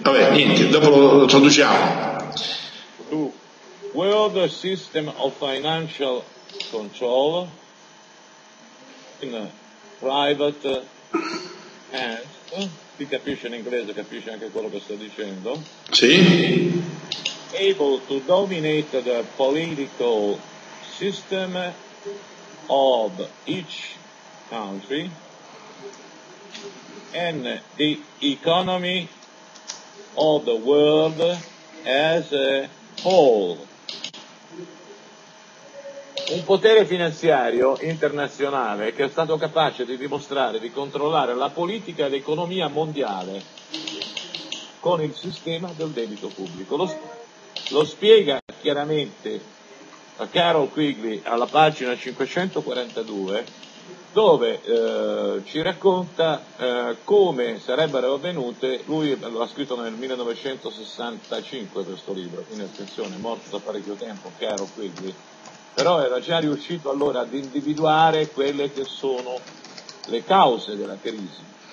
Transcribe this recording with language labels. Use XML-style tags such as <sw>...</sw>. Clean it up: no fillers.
<it>Vabbè, niente, dopo lo traduciamo.</it> <en>Two. World System of Financial Control in private hands,</en> <it>chi capisce in inglese capisce anche quello che sto dicendo. Sì.</it> <en>Able to dominate the political system of each country and the economy of the world as a whole.</en> <it>Un potere finanziario internazionale che è stato capace di dimostrare di controllare la politica e l'economia mondiale con il sistema del debito pubblico. Lo spiega chiaramente a Carol Quigley alla pagina 542, dove ci racconta come sarebbero avvenute, lui lo ha scritto nel 1965 questo libro, quindi attenzione, è morto da parecchio tempo Carol Quigley, però era già riuscito allora ad individuare quelle che sono le cause della crisi.</it>